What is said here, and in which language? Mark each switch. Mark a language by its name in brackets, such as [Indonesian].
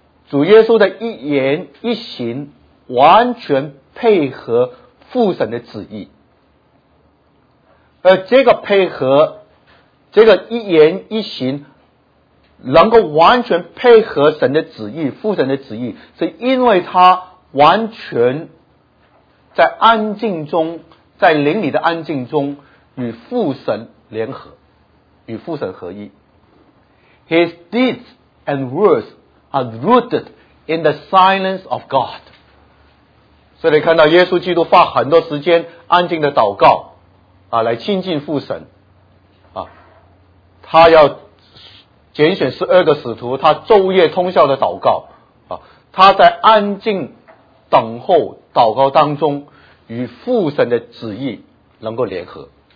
[Chinese] 主耶稣的一言一行完全配合父神的旨意，而这个配合，这个一言一行能够完全配合神的旨意、父神的旨意，是因为他完全在安静中，在灵里的安静中与父神联合，与父神合一。 [English] His deeds and words are rooted in the silence of God。 [Chinese] 所以你看到耶稣基督花很多时间安静的祷告啊，来亲近父神啊。他要拣选十二个使徒，他昼夜通宵的祷告啊，他在安静等候祷告当中与父神的旨意能够联合。